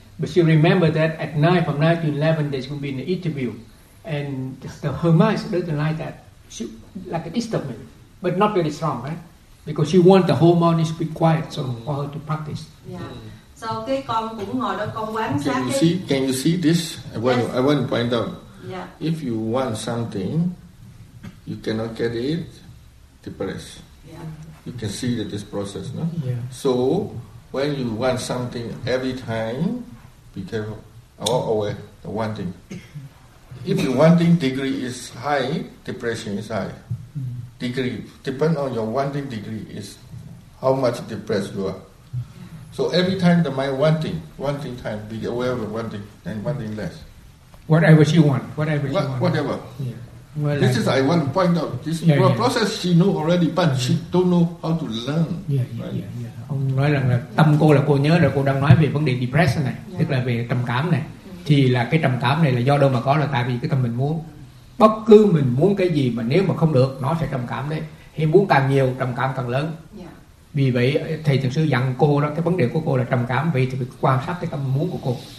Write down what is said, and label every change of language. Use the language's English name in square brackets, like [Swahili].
[English] But she remembered that at 9, from 9 to 11, there's going to be an interview. And her mind doesn't like that. She, like a disturbance, but not very strong, right? Because she wants the whole morning to be quiet so for her to practice. Yeah. [Vietnamese] So, cái con cũng ngồi đó, con quán sát [English] can, you see, can you see this? I want to point out. Yeah. If you want something, you cannot get it depressed. Yeah. You can see that this process, no? Yeah. So, when you want something every time, be careful. All aware, the one thing. If your wanting degree is high, depression is high. Degree, depend on your wanting degree is how much depressed you are. So every time the mind wanting time, be aware of the wanting, then wanting less. Whatever she want, whatever she what, want. Whatever. Yeah. Well, this like, is, I want to point out, this is a process she know already, but she don't know how to learn. [Vietnamese] Ông nói rằng là tâm cô là cô nhớ rồi, cô đang nói về vấn đề depression này, tức là về trầm cảm này. Thì là cái trầm cảm này là do đâu mà có, là tại vì cái tâm mình muốn. Bất cứ mình muốn cái gì mà nếu mà không được, nó sẽ trầm cảm đấy. Thì muốn càng nhiều, trầm cảm càng lớn. Vì vậy thầy thường sư dặn cô đó, cái vấn đề của cô là trầm cảm, vì thì phải quan sát cái tâm muốn của cô.